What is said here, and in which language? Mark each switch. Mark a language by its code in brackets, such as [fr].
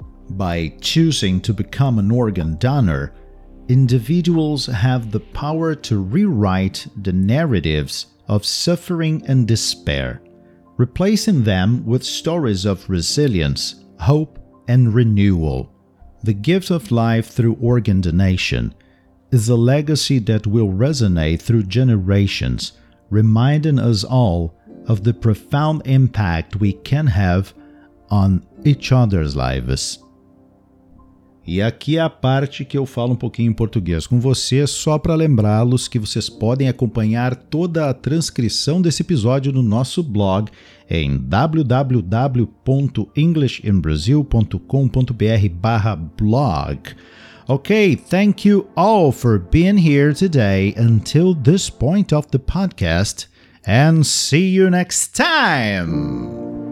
[en] By choosing to become an organ donor, individuals have the power to rewrite the narratives of suffering and despair, replacing them with stories of resilience, hope, and renewal. The gift of life through organ donation is a legacy that will resonate through generations, reminding us all of the profound impact we can have on each other's lives. [pt] E aqui é a parte que eu falo um pouquinho em português com você, só para lembrá-los que vocês podem acompanhar toda a transcrição desse episódio no nosso blog em www.englishinbrasil.com.br/blog. [en] Okay, thank you all for being here today until this point of the podcast, and see you next time!